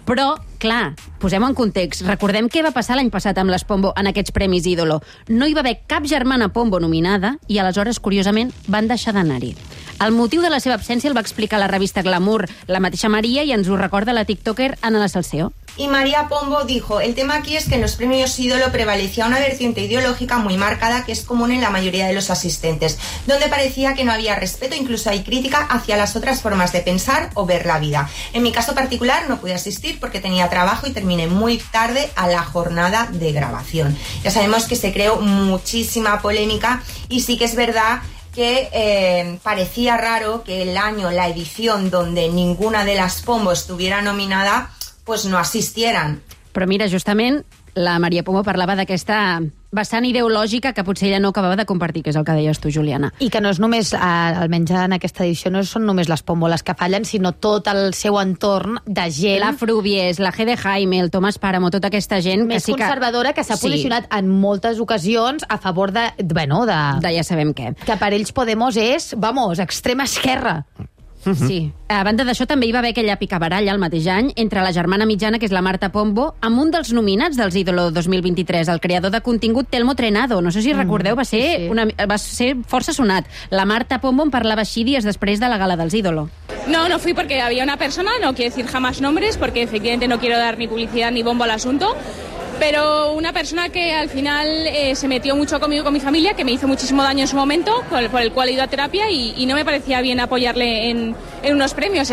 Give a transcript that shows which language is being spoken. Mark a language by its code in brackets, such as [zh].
[ca] Però, clar, posem-ho en context. Recordem què va passar l'any passat amb les Pombo en aquests Premis Ídolo. No hi va haver cap germana Pombo nominada i aleshores, curiosament, van deixar d'anar-hi. El motiu de la seva absència el va explicar la revista Glamour, la mateixa Maria, i ens ho recorda la TikToker Ana La Salseo. [es] Y María Pombo dijo, el tema aquí es que en los premios ídolo prevalecía una vertiente ideológica muy marcada que es común en la mayoría de los asistentes, donde parecía que no había respeto, incluso hay crítica hacia las otras formas de pensar o ver la vida. En mi caso particular no pude asistir porque tenía trabajo y terminé muy tarde a la jornada de grabación. Ya sabemos que se creó muchísima polémica y sí que es verdad que parecía raro que el año, la edición donde ninguna de las Pombo estuviera nominada, pues no asistieran. [ca] Però mira, justament, la Maria Pombo parlava d'aquesta vessant ideològica que potser ella no acabava de compartir, que és el que deies tu, Juliana. I que no és només, almenys en aquesta edició, no són només les Pombo les que fallen, sinó tot el seu entorn de gent. La Frubies, la G. de Jaime, el Tomàs Páramo, tota aquesta gent... Més que sí conservadora, que s'ha posicionat en moltes ocasions a favor de... Bueno, de ja sabem què. Que per ells Podemos és, vamos, extrema esquerra. Sí. A banda d'això, també hi va haver aquella picabaralla el mateix any entre la germana mitjana, que és la Marta Pombo, amb un dels nominats dels Ídolo 2023, el creador de contingut Telmo Trenado. No sé si recordeu, va ser força sonat. La Marta Pombo en parlava així dies després de la gala dels Ídolo. [es] No fui porque había una persona, no quiero decir jamás nombres, porque efectivamente no quiero dar ni publicidad ni bombo al asunto, pero una persona que al final se metió mucho conmigo, con mi familia, que me hizo muchísimo daño en su momento, por el cual he ido a terapia y no me parecía bien apoyarle en unos premios.